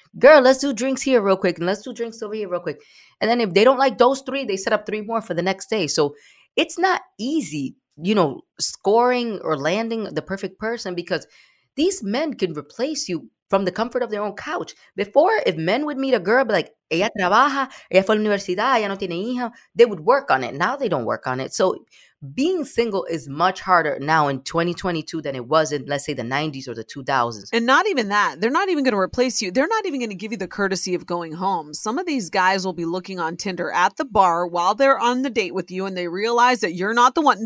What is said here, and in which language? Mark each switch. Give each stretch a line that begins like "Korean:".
English: Girl, let's do drinks here real quick. And let's do drinks over here real quick. And then if they don't like those three, they set up three more for the next day. So it's not easy, you know, scoring or landing the perfect person, because these men can replace you from the comfort of their own couch. Before, if men would meet a girl, be like,
Spanish: Ella trabaja, ella fue a la universidad, ella no tiene hija.
English: They would work on it. Now they don't work on it. So being single is much harder now in 2022 than it was in, let's say, the 90s or the 2000s. And not even that. They're not even going to replace you. They're not even going to give you the courtesy of going home. Some of these guys will be looking on Tinder at the bar while they're on the date with you, and they realize that you're not the one.